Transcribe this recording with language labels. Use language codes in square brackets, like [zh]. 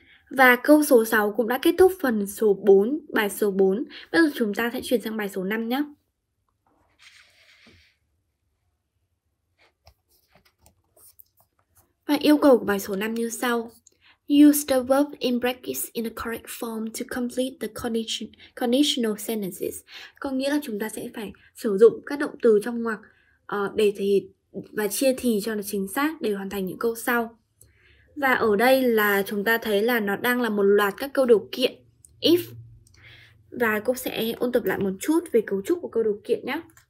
[vi] Và câu số 6 cũng đã kết thúc phần số 4, bài số 4. Bây giờ chúng ta sẽ chuyển sang bài số 5 nhé. yêu cầu của bài số 5 như sau. [en] Use the verb in brackets in the correct form to complete the conditional sentences. [vi] Có nghĩa là chúng ta sẽ phải sử dụng các động từ trong ngoặc để thì và chia thì cho nó chính xác để hoàn thành những câu sau. Và ở đây là chúng ta thấy là nó đang là một loạt các câu điều kiện if. Và cô sẽ ôn tập lại một chút về cấu trúc của câu điều kiện nhé.